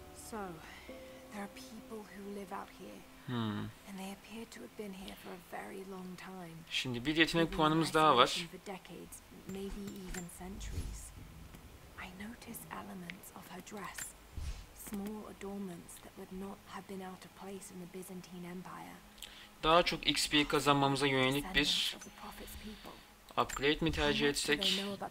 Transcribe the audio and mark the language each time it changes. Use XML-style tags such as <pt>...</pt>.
<en>So, there are people who live out here. And they appear to have been here for a very long time.</en> <tr>Şimdi bir yetenek puanımız daha var.</tr> <en>Maybe even centuries. I notice elements of her dress. Small adornments that would not have been out of place in the Byzantine Empire.</en> <tr>Daha çok XP kazanmamıza yönelik bir upgrade mi tercih etsek?</tr>